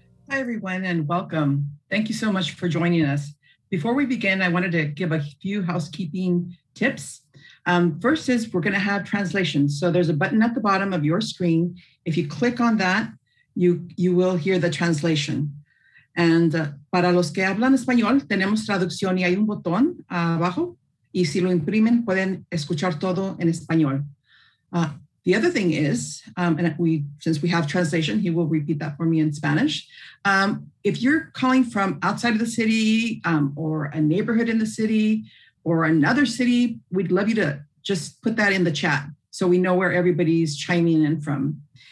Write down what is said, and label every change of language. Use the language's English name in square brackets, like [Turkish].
[English] Hi, everyone, and welcome. Thank you so much for joining us. Before we begin, I wanted to give a few housekeeping tips. First is we're going to have translations. So there's a button at the bottom of your screen. If you click on that, you will hear the translation. [Spanish] And para los que hablan español, tenemos traducción y hay un botón abajo. Y si lo imprimen, pueden escuchar todo en español. [English] The other thing is, since we have translation, he will repeat that for me in Spanish. If you're calling from outside of the city or a neighborhood in the city or another city, we'd love you to just put that in the chat so we know where everybody's chiming in from.